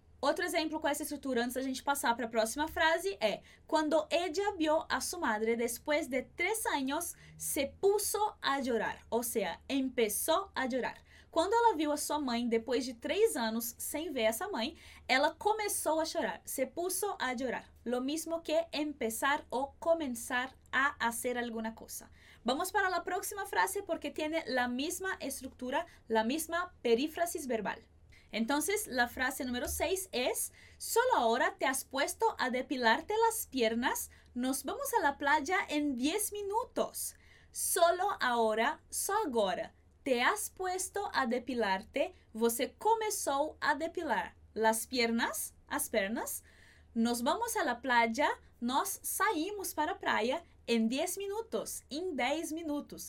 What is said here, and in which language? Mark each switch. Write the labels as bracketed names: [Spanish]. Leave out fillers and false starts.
[Portuguese] Outro exemplo com essa estrutura, antes da gente passar para a próxima frase, é quando [Spanish] ella vio a su madre después de 3 años, se puso a llorar. [Portuguese] Ou seja, empezou [Spanish] a llorar. [Portuguese] Quando ela viu a sua mãe depois de 3 anos sem ver essa mãe, ela começou a chorar. [Spanish] Se puso a llorar. Lo mismo que empezar [Portuguese] ou começar [Spanish] a hacer alguna cosa. Vamos para la próxima frase porque tiene la misma estructura, la misma perífrasis verbal. Entonces, la frase número 6 es, solo ahora te has puesto a depilarte las piernas, nos vamos a la playa en 10 minutos. Solo ahora, [Portuguese] só agora, [Spanish] te has puesto a depilarte, [Portuguese] você começou a depilar [Spanish] las piernas, [Portuguese] as pernas, [Spanish] nos vamos a la playa, [Portuguese] nós saímos para a praia, em 10 minutos, [Spanish] em 10 minutos.